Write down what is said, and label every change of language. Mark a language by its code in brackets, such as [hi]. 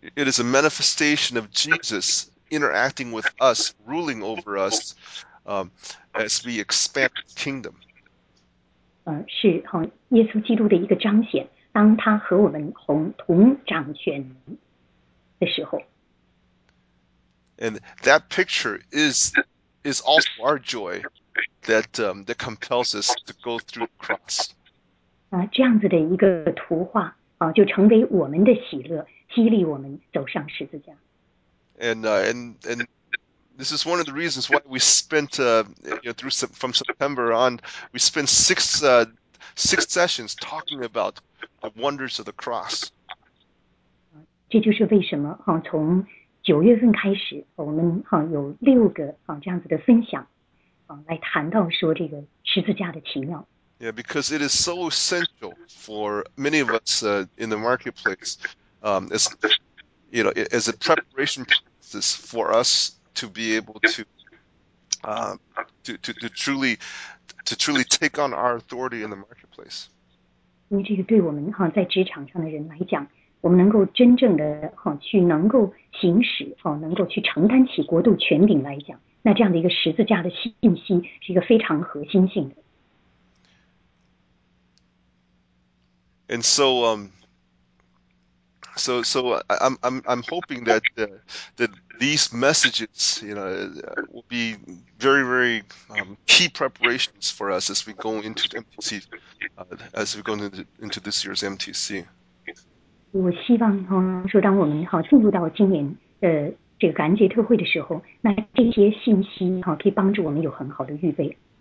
[en] It is a manifestation of Jesus interacting with us, ruling over us, as we expand His kingdom. [zh] 是耶稣基督的一个彰显，当他和我们同掌权的时候。 [en] And that picture is also our joy that compels us to go through the cross. [zh] 这样子的一个图画。就成为我们的喜乐，激励我们走上十字架。 [en] And this is one of the reasons why we spent from September on, we spent six sessions talking about the wonders of the cross. [zh] 这就是为什么从九月份开始，我们有六个这样子的分享，来谈到说这个十字架的奇妙。 [en] Yeah, because it is so essential for many of us in the marketplace, as a preparation process for us to be able to truly take on our authority in the marketplace. [zh] 因为这个对我们在职场上的人来讲，我们能够真正的去能够行使能够去承担起国度权柄来讲，那这样的一个十字架的信息是一个非常核心性的。 [en] And so, I'm hoping that these messages, will be very, very key preparations for us as we go into MTC, as we go into this year's MTC. [zh] 我希望说，当我们进入到今年的这个感恩节特会的时候，那这些信息可以帮助我们有很好的预备。